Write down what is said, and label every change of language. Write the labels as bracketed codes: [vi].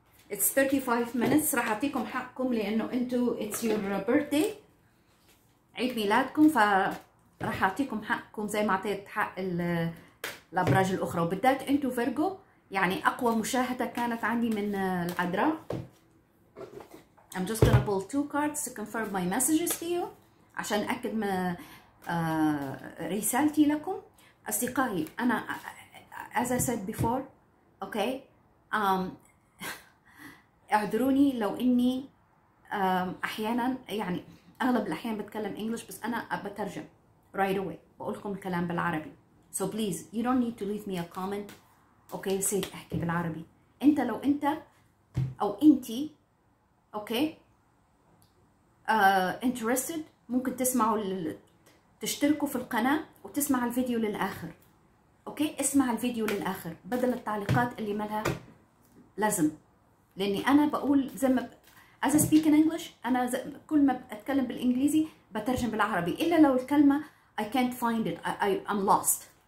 [en] It's 35 minutes. [ar] راح أعطيكم حقكم لأنه أنتوا [en] it's your birthday. [ar] عيد ميلادكم فراح أعطيكم حقكم زي ما أعطيت حق الأبراج الأخرى وبالذات أنتوا فيرجو. يعني أقوى مشاهدة كانت عندي من العذراء. [en] I'm just gonna pull two cards to confirm my messages to you. [ar] عشان أكد ما رسالتي لكم. أصدقائي أنا [en] as I said before, [ar] okay, اعذروني لو إني أحيانا يعني أغلب الأحيان بتكلم English بس أنا بترجم right away. بقولكم الكلام بالعربي. [en] So please, you don't need to leave me a comment. Okay, say [ar] أحكي بالعربي. أنت لو أنت أو أنتي اوكي انترستد ممكن تسمعوا تشتركوا في القناه وتسمع الفيديو للاخر. اوكي okay? اسمع الفيديو للاخر بدل التعليقات اللي ما لها لازم، لاني انا بقول زي ما [en] as I speak in English [ar] انا كل ما اتكلم بالانجليزي بترجم بالعربي الا لو الكلمه [en] I can't find it I I'm lost.